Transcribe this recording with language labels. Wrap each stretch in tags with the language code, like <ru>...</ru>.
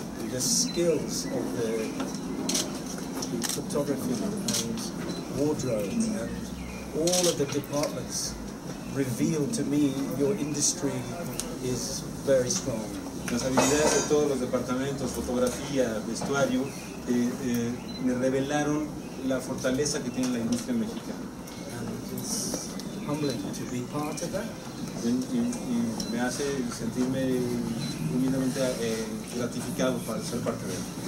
<en>The skills of the photography and wardrobe and all of the departments reveal to me your industry is very strong.</en> <es>Las habilidades de todos los departamentos, fotografía, vestuario, me revelaron la fortaleza que tiene la industria mexicana.</es> <en>And it's humbling to be part of that.</en> <es>Y me hace sentirme humildemente gratificado para ser parte de él.</es>